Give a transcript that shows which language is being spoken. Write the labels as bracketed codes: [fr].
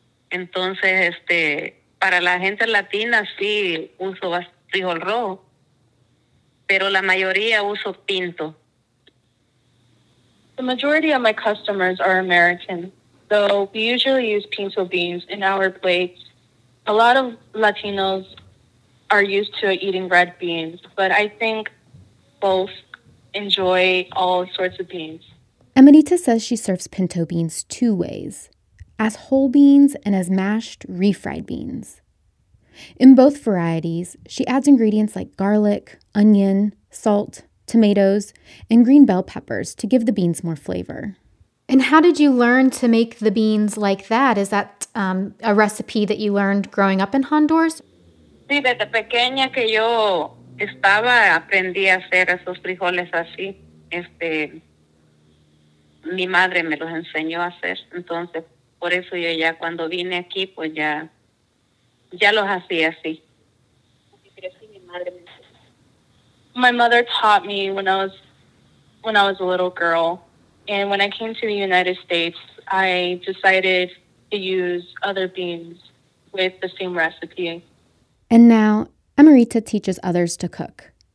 [es] Entonces, para la gente latina sí uso frijol rojo. Pero la mayoría uso pinto. [en] The majority of my customers are American, so we usually use pinto beans in our plates. A lot of Latinos are used to eating red beans, but I think both enjoy all sorts of beans. Emerita says she serves pinto beans two ways, as whole beans and as mashed, refried beans. In both varieties, she adds ingredients like garlic, onion, salt, tomatoes, and green bell peppers to give the beans more flavor. And how did you learn to make the beans like that? Is that a recipe that you learned growing up in Honduras? [es] Sí, desde pequeña que yo estaba, aprendí a hacer esos frijoles así. Mi madre me los enseñó a hacer. Entonces, por eso yo ya cuando vine aquí, pues ya... ya los hacía así. [en] My mother taught me when I was a little girl, and when I came to the United States, I decided to use other beans with the same recipe. And now, Emerita teaches others to cook.